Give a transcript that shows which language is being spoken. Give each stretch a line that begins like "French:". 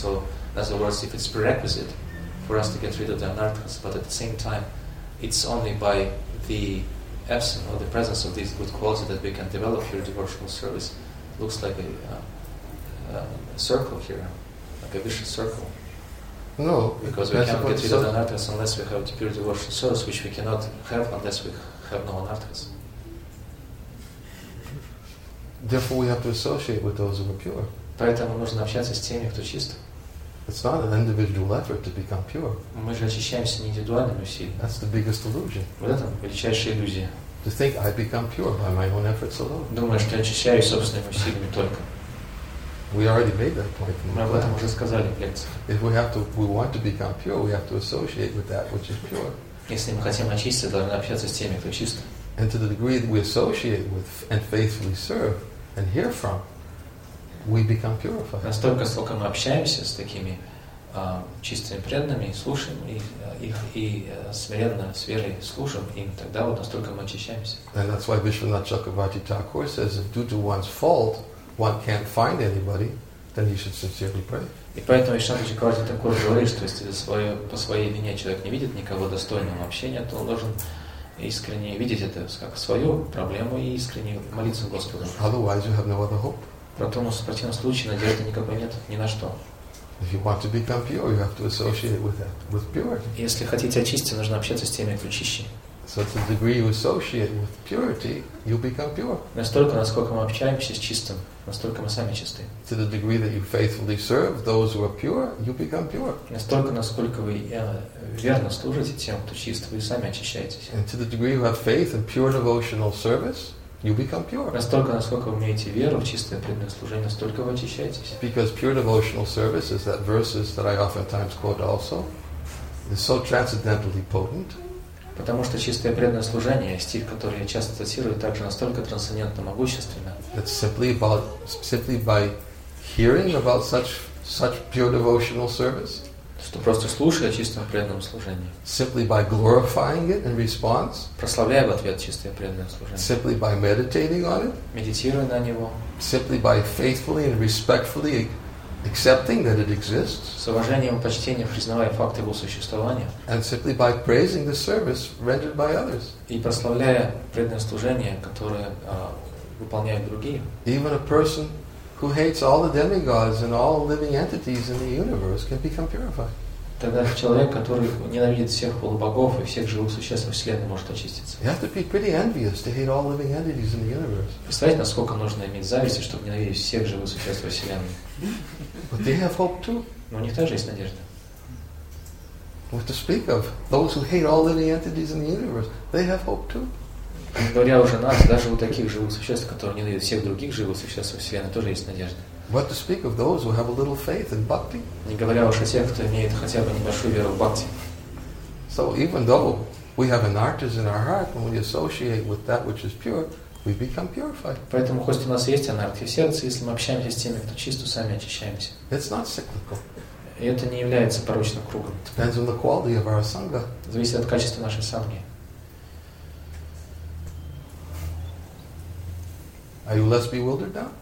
English: So in other words, if it's prerequisite for us to get rid of the anarthas, but at the same time it's only by the absence or the presence of these good qualities that we can develop pure devotional service, looks like a circle here, like a vicious circle. No, because we cannot get rid of anarthas unless we have pure devotional service, which we cannot have unless we have no anarthas. Therefore, we have to associate with those who are pure.
Russian: Поэтому нужно общаться с теми, кто чист.
English: It's not an individual effort to become pure.
Russian: Мы же очищаемся не индивидуальными усилиями.
English: That's the biggest illusion.
Russian: Вот это величайшая иллюзия.
English: To think I become pure by my own efforts alone.
Russian: Думаешь, ты очищаешь собственными усилиями только?
English: We already made that point.
Russian: Мы об этом уже сказали в лекции.
English: If we have to, we want to become pure, we have to associate with that which is pure.
Russian: Если мы хотим очиститься, должны общаться с теми, кто чист.
English: And to the degree that we associate with and faithfully serve and hear from, we become purified.
Russian: Настолько, сколько мы общаемся с такими чистыми преданными, слушаем их и смиренно, с верой служим им, тогда вот настолько мы очищаемся.
English: And that's why Vishwanath Chakravarti Thakur says that due to one's fault, one can't find anybody, then he should sincerely pray.
Russian: И поэтому Вишванатха Чакравати Такур говорит, что если по своей вине человек не видит никого достойного общения, то он должен искренне видеть это как свою проблему и искренне молиться Господу.
English: Otherwise you have no other hope.
Russian: Потому что в противном случае надежды никакой нет ни на что.
English: If you want to become pure, you have to associate with that, with purity.
Russian: Если хотите очиститься, нужно общаться с теми, кто чище.
English: So to the degree you associate with purity, you become pure.
Russian: Настолько, насколько мы общаемся с чистым, настолько мы сами чисты.
English: To the degree that you faithfully serve those who are pure, you become pure.
Russian: Настолько, насколько вы верно служите тем, кто чист, вы сами очищаетесь.
English: And to the degree you have faith in pure devotional service, you become pure.
Russian: Настолько, насколько вы имеете веру в чистое преданное служение, настолько вы очищаетесь.
English: Because pure devotional service is that verses that I oftentimes quote also is so transcendentally potent.
Russian: Потому что чистое преданное служение, стих, который я часто цитирую, также настолько трансцендентно могущественно.
English: It's simply by hearing about such pure devotional service.
Russian: Что просто слушая о чистом преданном служении.
English: Simply by glorifying it in response.
Russian: Прославляя в ответ чистое преданное служение.
English: Simply by meditating on it.
Russian: Медитируя на него.
English: Simply by faithfully and respectfully accepting that it exists.
Russian: С уважением и почтением признавая факт его существования.
English: And simply by praising the service rendered by others.
Russian: И прославляя преданное служение, которое выполняют другие.
English: Even a person who hates all the demigods and all living entities in the universe can become purified.
Russian: Тогда человек, который ненавидит всех полубогов и всех живых существ во Вселенной, может очиститься.
English: You have to be pretty envious to hate all living entities in the universe.
Russian: Представьте, насколько нужно иметь зависти, чтобы ненавидеть всех живых существ во Вселенной.
English: But they have hope too.
Russian: Но у них тоже есть надежда.
English: What to speak of? Those who hate all living entities in the universe, they have hope too.
Russian: Говоря уже о нас, даже у таких живых существ, которые ненавидят всех других живых существ во Вселенной, тоже есть надежда.
English: What to speak of those who have a little faith in bhakti?
Russian: Не говоря уж о тех, кто имеет хотя бы небольшую веру в бхакти.
English: So even though we have an artist in our heart, when we associate with that which is pure, we become purified.
Russian: Поэтому хоть у нас есть анартхи в сердце, если мы общаемся с теми, кто чист, сами очищаемся.
English: It's not cyclical.
Russian: И это не является порочным кругом.
English: Depends on the quality of our sangha.
Russian: Зависит от качества нашей сангхи.
English: Are you less bewildered now?